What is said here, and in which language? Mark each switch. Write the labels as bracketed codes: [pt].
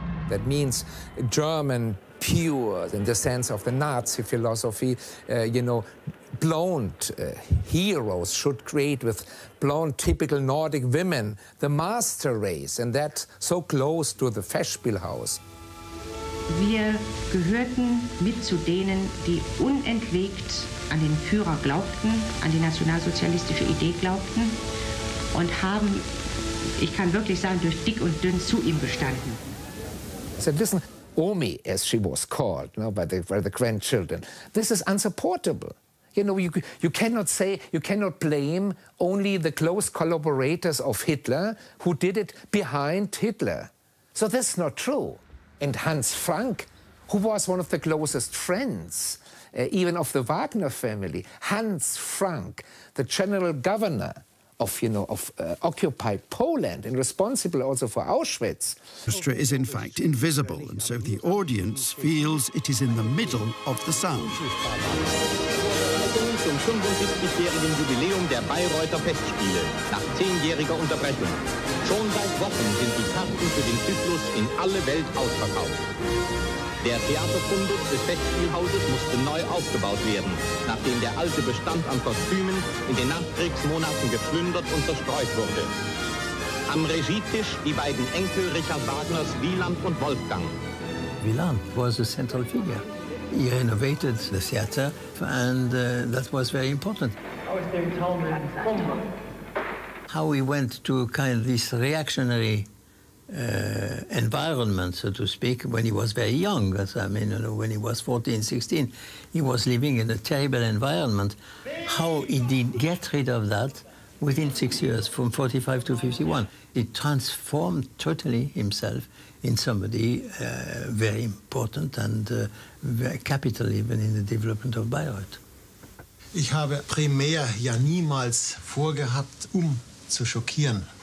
[en] That means German pure in the sense of the Nazi philosophy, blonde heroes should create with blonde, typical Nordic women, the master race, and that so close to the Festspiel House. [de] Wir gehörten mit zu denen, die unentwegt an den Führer glaubten, an die nationalsozialistische Idee glaubten und haben, ich kann wirklich sagen, durch dick und dünn zu ihm gestanden. [en] said, listen, Omi, as she was called, you know, by the grandchildren, this is unsupportable. You know, you cannot say, you cannot blame only the close collaborators of Hitler who did it behind Hitler. So this is not true. And Hans Frank, who was one of the closest friends, even of the Wagner family, Hans Frank, the general governor of, you know, of occupied Poland and responsible also for Auschwitz. The orchestra is in fact invisible, and so the audience feels it is in the middle of the sound. [de] Zum 75-jährigen Jubiläum der Bayreuther Festspiele nach 10-jähriger Unterbrechung. Schon seit Wochen sind die Karten für den Zyklus in alle Welt ausverkauft. Der Theaterfundus des Festspielhauses musste neu aufgebaut werden, nachdem der alte Bestand an Kostümen in den Nachkriegsmonaten geplündert und zerstreut wurde. Am Regietisch die beiden Enkel Richard Wagners, Wieland und Wolfgang. [en] Wieland was a central figure. He renovated the theater, and that was very important. How he went to kind of this reactionary environment, so to speak, when he was very young, as I mean, you know, when he was 14, 16, he was living in a terrible environment. How he did get rid of that within 6 years, from 45 to 51, he transformed totally himself in somebody very important and very capital even in the development of Bayreuth. [de] Ich habe primär ja niemals vorgehabt, zu schockieren.